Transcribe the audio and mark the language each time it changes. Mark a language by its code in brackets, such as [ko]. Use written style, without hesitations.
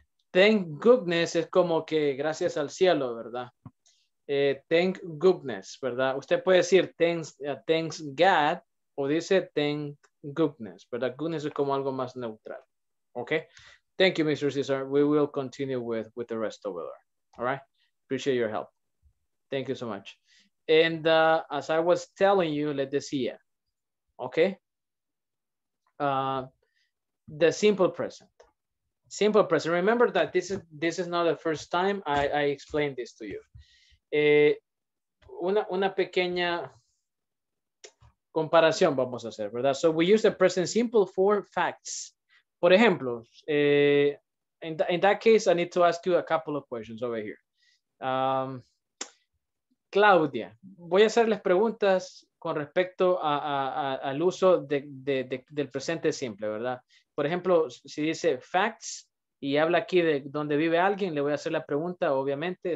[en] Thank goodness [es] es como que gracias al cielo, ¿verdad? [en] Thank goodness, [es] ¿verdad? Usted puede decir [en] thanks God [es] o dice [en] thank goodness, [es] ¿verdad? Goodness es como algo más neutral, okay? [en] Thank you, [es] Mr. Cesar. [en] We will continue with the rest of it. All right? Appreciate your help. Thank you so much. And as I was telling you, let the see. Okay? The simple present. Simple present. Remember that this is not the first time I explained this to you. [es] Una pequeña comparación vamos a hacer, ¿verdad? [en] So we use the present simple for facts. [es] Por ejemplo, [en] in that case, I need to ask you a couple of questions over here. [es] Claudia, voy a hacerles preguntas con respecto al uso del presente simple, ¿verdad? Por ejemplo, si dice facts y habla aquí de dónde vive alguien, le voy a hacer la pregunta, obviamente.